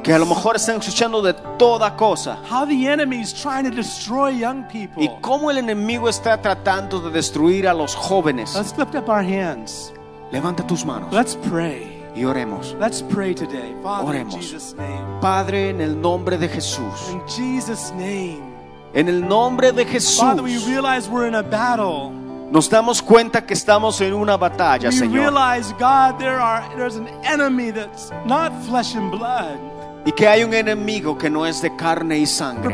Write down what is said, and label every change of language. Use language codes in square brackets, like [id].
[es] Que a lo mejor están escuchando de toda cosa. [en] How the enemy is trying to destroy young people. [es] Y cómo el enemigo está tratando de destruir a los jóvenes. [en] Let's lift up our hands. [es] Levanta tus manos. [en] Let's pray. [es] Y oremos. [en] Let's pray today. Father, [es] oremos. [en] In Jesus' name. [es] Padre, en el nombre de Jesús. [en] In Jesus' name. [es] En el nombre de Jesús. [en] Father, we realize we're in a battle. [es] Nos damos cuenta que estamos en una batalla, [en] we [es] Señor. [en] Realize, God, there's an enemy that's not flesh and blood. [es] Y que hay un enemigo que no es de carne y sangre.